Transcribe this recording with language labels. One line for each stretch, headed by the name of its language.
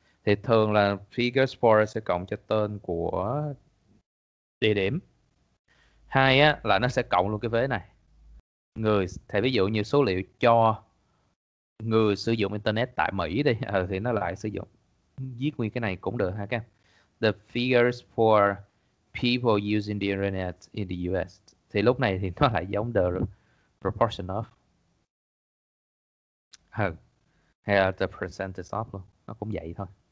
Vietnamese: Thì thường là
English: figures for
Vietnamese: sẽ cộng cho tên của địa điểm. Hai á là nó sẽ cộng luôn cái vế này. Người thì ví dụ như số liệu cho người sử dụng internet tại Mỹ đi, thì nó lại sử dụng viết nguyên cái này cũng được ha các em.
English: The figures for people using the internet in the US.
Vietnamese: Thì lúc này thì nó lại giống
English: the proportion of.
Vietnamese: Hay là
English: the percentage of
Vietnamese: luôn. Nó cũng vậy thôi.